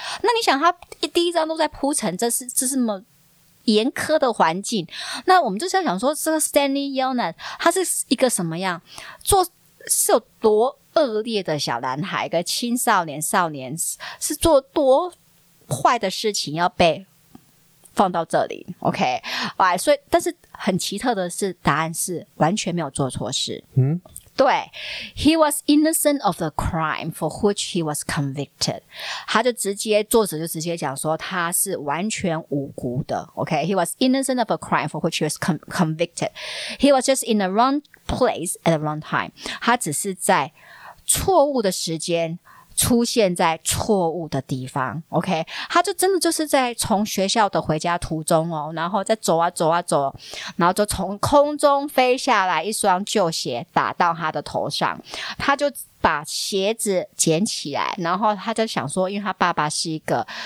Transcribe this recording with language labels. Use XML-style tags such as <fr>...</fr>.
<zh>那你想，他第一章都在铺陈，这是什么？严苛的环境，那我们就是要想说这个 Stanley Yelnat 他是一个什么样做是有多恶劣的小男孩，一个青少年，少年是做多坏的事情要被放到这里 OK、right， 所以但是很奇特的是答案是完全没有做错事、对</zh> <en>He was innocent of the crime for which he was convicted.</en> <zh>他就直接作者就直接讲说他是完全无辜的 OK</zh> <en>He was innocent of a crime for which he was convicted. He was just in the wrong place at the wrong time.</en> <zh>他只是在错误的时间出现在错误的地方 OK 他就真的就是在从学校的回家途中哦，然后再走啊走啊走，然后就从空中飞下来一双旧鞋打到他的头上，他就把鞋子捡起来，然后他就想说因为他爸爸是一个</zh>